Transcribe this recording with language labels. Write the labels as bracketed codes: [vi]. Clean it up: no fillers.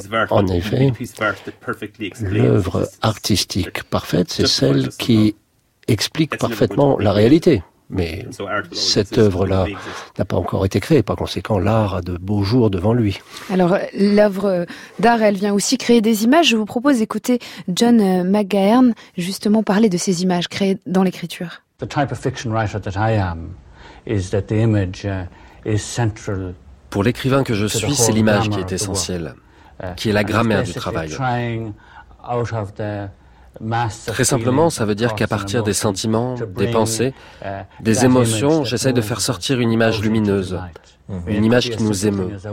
[fr] En effet, l'œuvre artistique parfaite, c'est celle qui explique parfaitement la réalité. Mais cette œuvre-là n'a pas encore été créée, par conséquent, l'art a de beaux jours devant lui. Alors, l'œuvre d'art, elle vient aussi créer des images. Je vous propose d'écouter John McGahern justement parler de ces images créées dans l'écriture. [en] The type of fiction writer that I am is that the image is central. [fr] Pour l'écrivain que je suis, c'est l'image qui est essentielle, qui est la grammaire du travail. Très simplement, ça veut dire qu'à partir des sentiments, des pensées, des émotions, j'essaie de faire sortir une image lumineuse, une image qui nous émeut.